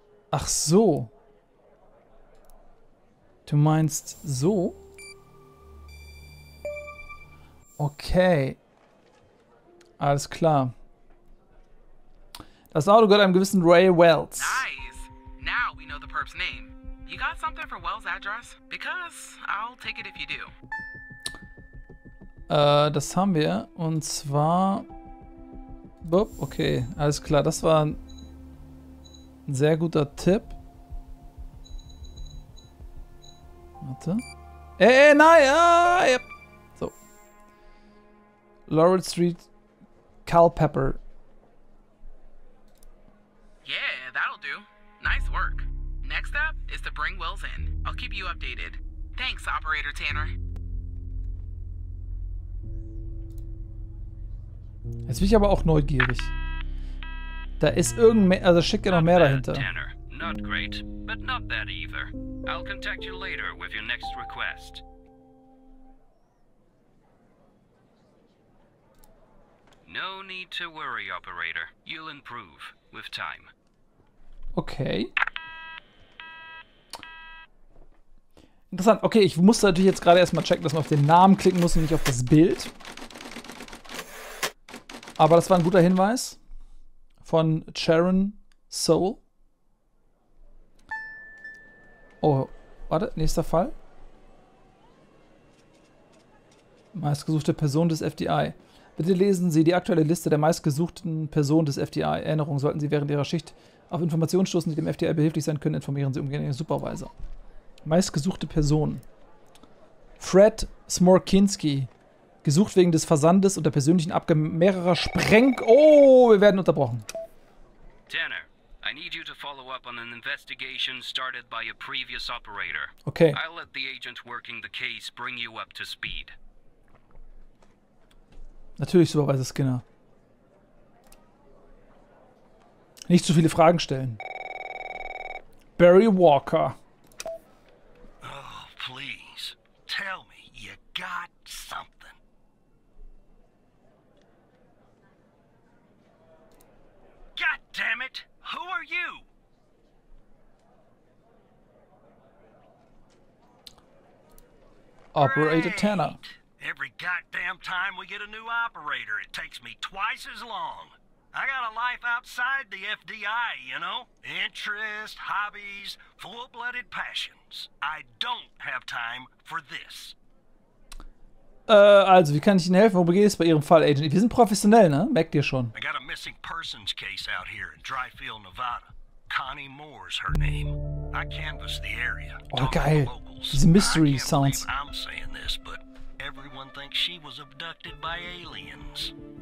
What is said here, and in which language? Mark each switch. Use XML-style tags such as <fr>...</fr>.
<de>Ach so. Du meinst so? Okay. Alles klar. Das Auto gehört einem gewissen Ray Wells.</de> <en>Nice. Now we know the perp's name. You got something for Wells' address? Because I'll take it if you do.</en> <de>Das haben wir. Und zwar... Bup, okay. Alles klar. Das war ein sehr guter Tipp. Warte. Nein! Ah, yep. So.</de> <en>Laurel Street, Culpepper. Yeah, that'll do. Nice work. Next up is to bring Wells in. I'll keep you updated. Thanks, Operator Tanner.</en> <de>Jetzt bin ich aber auch neugierig. Da ist irgend mehr, also schickt ihr noch mehr dahinter.</de> <en>Tanner. Not great, but not bad either. I'll contact you later with your next request. No need to worry, Operator. You'll improve with time. Okay.</en> <de>Interessant. Okay, ich musste natürlich jetzt gerade erstmal checken, dass man auf den Namen klicken muss und nicht auf das Bild. Aber das war ein guter Hinweis von Charon Soul. Oh, warte, nächster Fall. Meistgesuchte Person des FDI. Bitte lesen Sie die aktuelle Liste der meistgesuchten Personen des FDI. Erinnerung, sollten Sie während Ihrer Schicht auf Informationen stoßen, die dem FDI behilflich sein können, informieren Sie umgehend Ihren Supervisor. Meistgesuchte Person. Fred Smorkinski. Gesucht wegen des Versandes und der persönlichen Abgabe mehrerer Spreng... Oh, wir werden unterbrochen.</de> <en>Tanner. I need you to follow up on an investigation started by a previous operator. Okay. I'll let the agent working the case bring you up to speed.</en> <de>Natürlich, Supervisor Skinner. Nicht zu viele Fragen stellen.</de> <en>Barry Walker. Oh, please. Tell me you got something. God damn it! Who are you? Operator Tanner. Every goddamn time we get a new operator, it takes me twice as long. I got a life outside the FDI, you know? Interest, hobbies, full-blooded passions. I don't have time for this.</en> <de>Also, wie kann ich Ihnen helfen? Wo geht es bei Ihrem Fall, Agent? Wir sind professionell, ne? Merkt ihr schon.</de> <en>I got a missing persons case out here in Dryfield, Nevada. Connie Moore's her name. I canvassed the area.</en> <de>Oh, geil. Diese</de> <en>Mystery Sounds. I'm saying this, but everyone thinks she was abducted by aliens.</en>